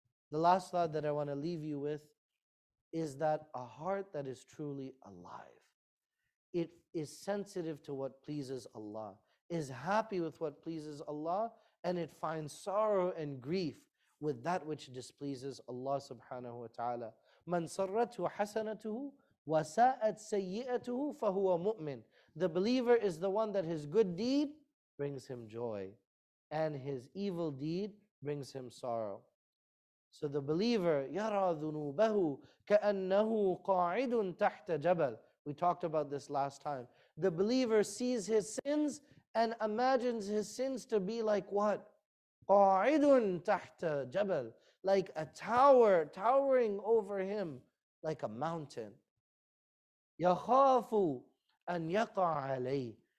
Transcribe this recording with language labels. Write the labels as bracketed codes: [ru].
[en] The last thought that I want to leave you with is that a heart that is truly alive, it is sensitive to what pleases Allah, is happy with what pleases Allah, and it finds sorrow and grief with that which displeases Allah subhanahu wa ta'ala. [ar] مَنْ سَرَّتْهُ حَسَنَتُهُ وَسَاءَتْ سَيِّئَتُهُ فَهُوَ مُؤْمِنٌ. [en] The believer is the one that his good deed brings him joy and his evil deed brings him sorrow. So the believer, [ar] يَرَى ذُنُوبَهُ كَأَنَّهُ قَاعِدٌ تَحْتَ جَبَلٍ. [en] We talked about this last time. The believer sees his sins and imagines his sins to be like what? [ar] قَاعِدٌ تَحْتَ جَبَلٍ. [en] Like a tower, towering over him, like a mountain. [ar] يَخَافُ أَنْ يَقَعَ عَلَيْهِ.